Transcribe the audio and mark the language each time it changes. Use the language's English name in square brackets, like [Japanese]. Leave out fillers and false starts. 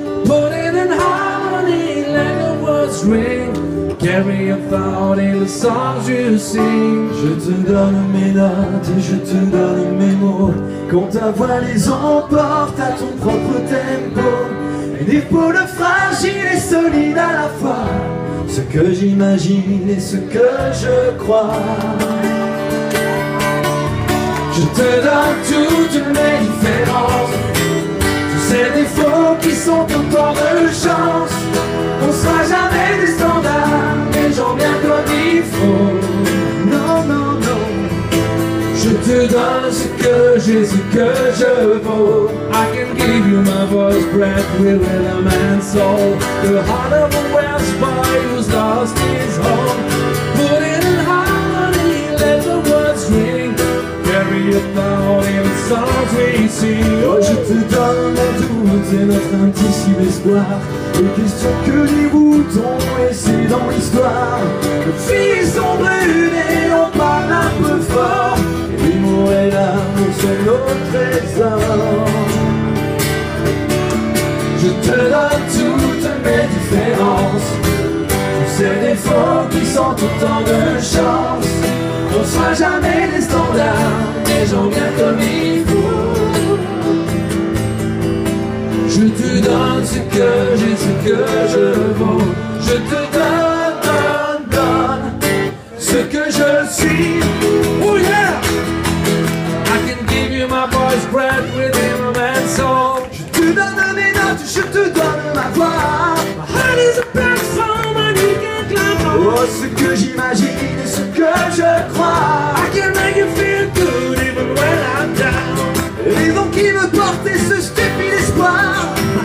[English] Morning and harmony, let the words ring. Carry a thought in the songs you sing. [French] Je te donne mes notes et je te donne mes mots. Quand ta voix les emporte à ton propre tempo. Une épaule fragile et solide à la fois. Ce que j'imagine et ce que je crois. Je te donne toutes mes différences. Tous ces défauts qui sont autant de chance. On sera jamais des standards, des gens bien comme il faut. Non, non, non. Je te donne ce que j'ai, ce que je vaux. [English] I can give you my voice, breath, will, and a man's soul. The heart of a Welsh boy who's lost his home. Put it in harmony, let the words ring. Carry a thought in the songs we sing. [French] Oh, je te donne la doute et notre intime espoir. Les questions que les voûtes ont laissées dans l'histoire. Nos filles sont brûlées, on parle un peu fort. L'humour et l'amour sont nos trésors. Je te donne toutes mes différences. Tous ces défauts qui sont autant de chance. On sera jamais des standards, des gens bien comme il faut. Je te donne ce que j'ai, ce que je vaux. Je te donne, donne, donne ce que je suis. [English] Oh yeah! I can give you my voice, breath within a man's soul. [French] Je te donne mes notes, je te donne ma voix. [English] My heart is a platform and you can climb on. [French] Oh, ce que j'imagine et ce que je crois. [English] I can make you feel good even when I'm down. [French] Les vents qui me portent et ce stupide espoir.